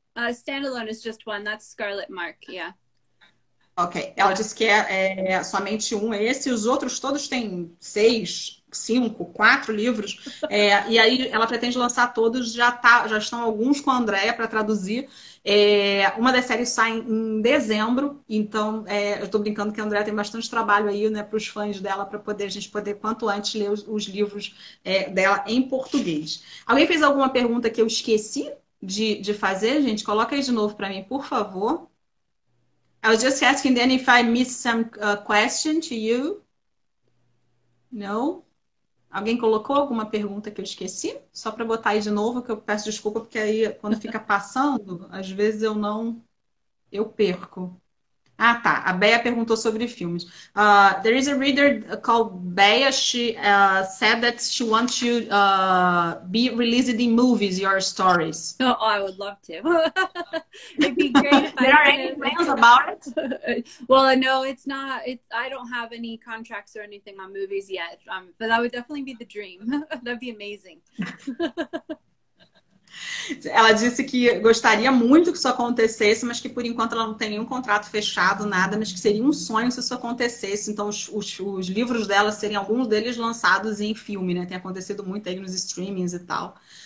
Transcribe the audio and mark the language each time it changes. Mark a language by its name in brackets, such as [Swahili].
[English] Standalone is just one. That's Scarlet Mark. Yeah. Ok. [Portuguese] Ela disse que é somente um esse, os outros todos têm seis, cinco, quatro livros. E aí ela pretende lançar todos, já estão alguns com a Andrea para traduzir. Uma das séries sai em dezembro, então eu estou brincando que a Andrea tem bastante trabalho aí, né, para os fãs dela, para poder a gente poder quanto antes ler os livros dela em português. Alguém fez alguma pergunta que eu esqueci de fazer? Gente, coloca aí de novo para mim, por favor. [English] I was just asking then if I missed some question to you. [Portuguese] Não? Alguém colocou alguma pergunta que eu esqueci? Só para botar aí de novo, que eu peço desculpa, porque aí quando fica passando, às vezes eu não. Eu perco. Ah, tá. A Bea perguntou sobre filmes. [English] There is a reader called Bea. She said that she wants to be released in movies, your stories. Oh, I would love to. It'd be great if There I are any could. plans about it? Well, no, it's not. It's I don't have any contracts or anything on movies yet. But that would definitely be the dream. That'd be amazing. [Portuguese] Ela disse que gostaria muito que isso acontecesse, mas que por enquanto ela não tem nenhum contrato fechado, nada, mas que seria um sonho se isso acontecesse. Então, os livros dela seriam alguns deles lançados em filme, né? Tem acontecido muito aí nos streamings e tal.